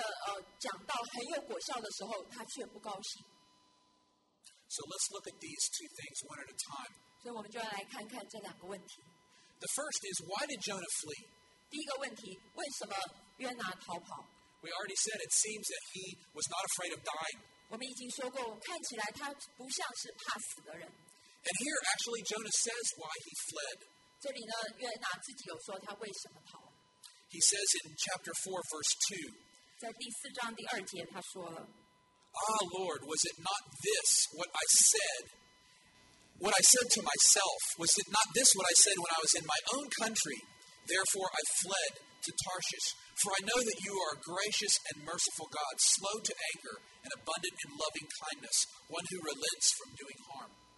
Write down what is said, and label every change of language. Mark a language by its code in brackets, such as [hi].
[zh] 第二个,他的问题呢,就是当他的讲道很有果效的时候,他却不高兴。 [en] So let's look at these two things one at a time. [zh] 所以我们就要来看看这两个问题。 [en] The first is, why did Jonah flee? [zh] 第一个问题,为什么约拿逃跑? [en] We already said it seems that he was not afraid of dying. [zh] 我们已经说过,看起来他不像是怕死的人。 [en] And here, actually, Jonah says why he fled. [zh] 这里呢,约拿自己有说他为什么逃。 [en] He says in chapter 4, verse 2, [zh] 在第四章第二节,他说了, [en] Ah, Lord, was it not this what I said? What I said to myself, was it not this what I said when I was in my own country? Therefore, I fled to Tarshish. For I know that you are a gracious and merciful God, slow to anger and abundant in loving kindness, one who relents from doing harm.